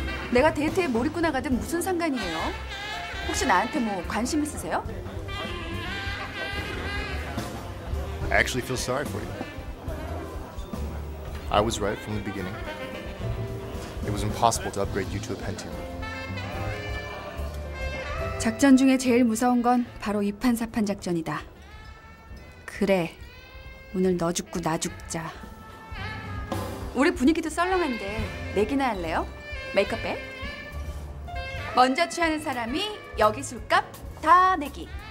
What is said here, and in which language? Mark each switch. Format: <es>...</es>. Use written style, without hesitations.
<ko>내가 데이트에 몰입고 나가든 무슨 상관이에요? 혹시 나한테 뭐 관심 있으세요?</ko> <en>I actually feel sorry for you. I was right from the beginning. It was impossible to upgrade you to a Pentium.</en> <ko>작전 중에 제일 무서운 건 바로 이 판사판 작전이다. 그래, 오늘 너 죽고 나 죽자. 우리 분위기도 썰렁한데 내기나 할래요? 메이크업에? 먼저 취하는 사람이 여기 술값 다 내기.</ko>